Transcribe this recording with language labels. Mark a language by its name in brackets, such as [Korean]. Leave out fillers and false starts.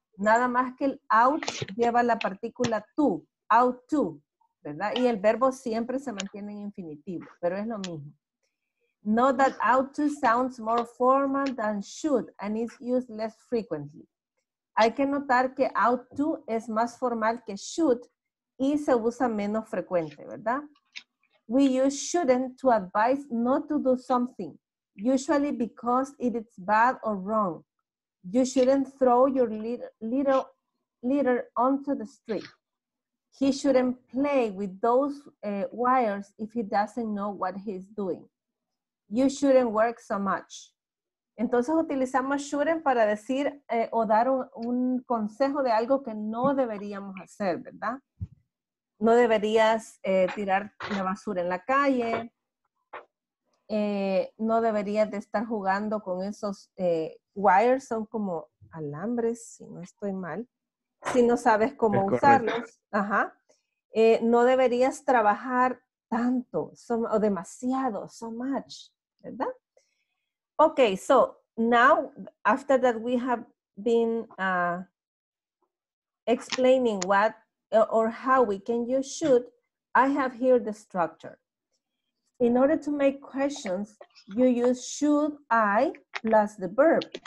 [Spanish] Nada más que el out lleva la partícula to, out to, ¿verdad? Y el verbo siempre se mantiene en infinitivo, pero es lo mismo. [English] Note that out to sounds more formal than should and is used less frequently. [Spanish] Hay que notar que out to es más formal que should y se usa menos frecuente, ¿verdad? [English] We use shouldn't to advise not to do something, usually because it is bad or wrong. You shouldn't throw your litter onto the street. He shouldn't play with those wires if he doesn't know what he's doing. You shouldn't work so much. [Spanish] Entonces utilizamos shouldn't para decir o dar un consejo de algo que no deberíamos hacer, ¿verdad? No deberías tirar la basura en la calle. No deberías de estar jugando con esos wires, son como alambres, si no estoy mal, si no sabes cómo usarlos. Ajá. No deberías trabajar tanto o demasiado, [English] so much, [Spanish] ¿verdad? [English] Ok, so now, after that we have been explaining what or how we can use should, I have here the structure. In order to make questions, you use should I plus the verb.